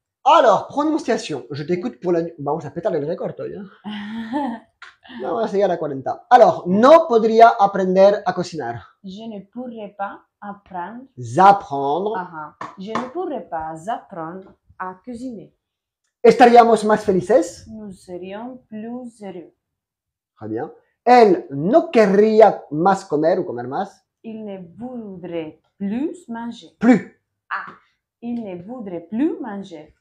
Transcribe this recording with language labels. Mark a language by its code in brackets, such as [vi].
[fr] Alors, prononciation, je t'écoute pour la... [es] Vamos a petarle el récord, hoy. No, vamos a llegar a 40. Alors, no podría aprender a cocinar. [fr] Je ne pourrais pas apprendre... Zapprendre. Uh-huh. Je ne pourrais pas apprendre a cuisiner. [es] ¿Estaríamos más felices? [fr] Nous serions plus heureux. Très bien. [es] Él no querría más comer o comer más. [fr] Il ne voudrait plus manger. Plus. Ah. Il ne voudrait plus manger.